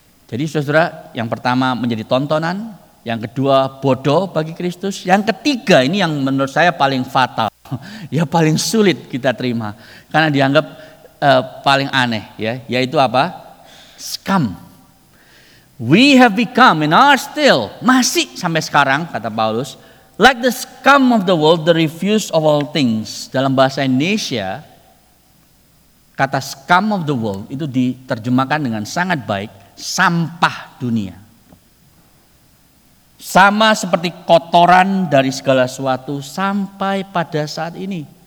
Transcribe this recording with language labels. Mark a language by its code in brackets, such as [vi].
[id] Jadi saudara, yang pertama menjadi tontonan, yang kedua bodoh bagi Kristus, yang ketiga ini yang menurut saya paling fatal, ya paling sulit kita terima karena dianggap paling aneh, ya, yaitu apa? [en] Scum. We have become and are still, [id] masih sampai sekarang, kata Paulus, [en] like the scum of the world, the refuse of all things. [id] Dalam bahasa Indonesia, kata [en] scum of the world [id] itu diterjemahkan dengan sangat baik, sampah dunia. Sama seperti kotoran dari segala sesuatu sampai pada saat ini.